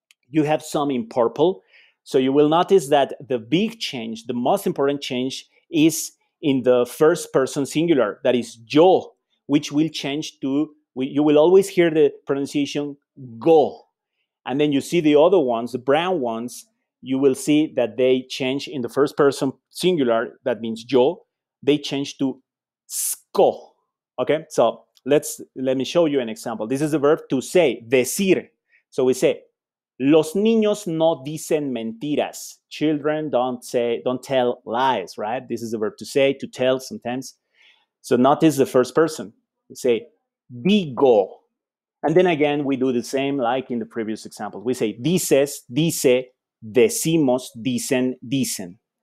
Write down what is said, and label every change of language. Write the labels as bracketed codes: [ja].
[en] You have some in purple. So you will notice that the big change, the most important change, is in the first person singular, that is yo, which will change to, you will always hear the pronunciation go. And then you see the other ones, the brown ones, you will see that they change in the first person singular, that means yo, they change to sco. Okay, so let me show you an example. This is a verb to say, decir. So we say, [es] los niños no dicen mentiras. [en] Children don't tell lies, right? This is a verb to say, to tell sometimes. So notice the first person. We say, digo. And then again, we do the same like in the previous example. We say, [es] dices, dice, decimos, dicen, dicen.